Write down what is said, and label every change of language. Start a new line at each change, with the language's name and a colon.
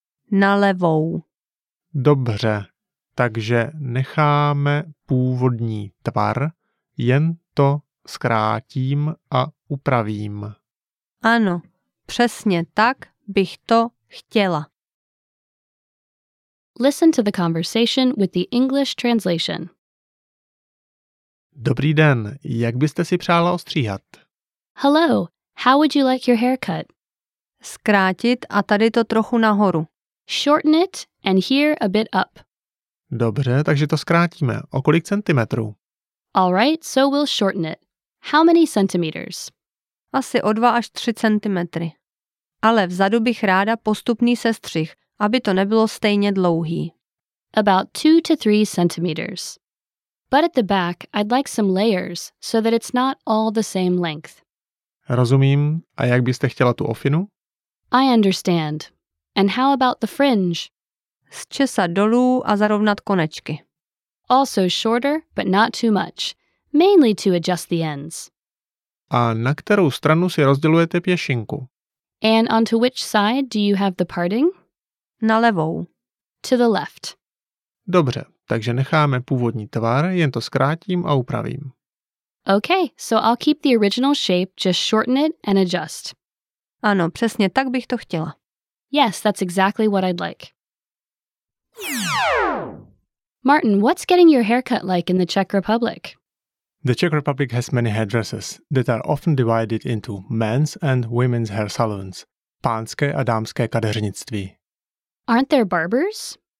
Czech: Na levou. Dobře, takže necháme původní tvar, jen to zkrátím a upravím. Ano, přesně tak bych to chtěla.
English: Listen to the conversation with the English translation.
Czech: Dobrý den, jak byste si přála ostříhat?
English: Hello, how would you like your haircut?
Czech: Zkrátit a tady to trochu nahoru.
English: Shorten it and here a bit up.
Czech: Dobře, takže to zkrátíme. O kolik centimetrů?
English: All right, so we'll shorten it. How many centimeters?
Czech: Asi o 2 až 3 centimetry. Ale vzadu bych ráda postupný sestřih, aby to nebylo stejně dlouhý.
English: About 2 to 3 centimeters. But at the back, I'd like some layers, so that it's not all the same length.
Czech: Rozumím. A jak byste chtěla tu ofinu?
English: I understand. And how about the fringe?
Czech: Zčesat dolů a zarovnat konečky.
English: Also shorter, but not too much. Mainly to adjust the ends.
Czech: A na kterou stranu si rozdělujete pěšinku?
English: And onto which side do you have the parting?
Czech: Na levou.
English: To the left.
Czech: Dobře, takže necháme původní tvar, jen to zkrátím a upravím.
English: Okay, so I'll keep the original shape, just shorten it and adjust.
Czech: Ano, přesně tak bych to chtěla.
English: Yes, that's exactly what I'd like. Martin, what's getting your haircut like in the Czech Republic? The Czech Republic has many hairdressers that are often divided into men's and women's hair salons,
Czech: pánské a dámské kadeřnictví.
English: Aren't there barbers?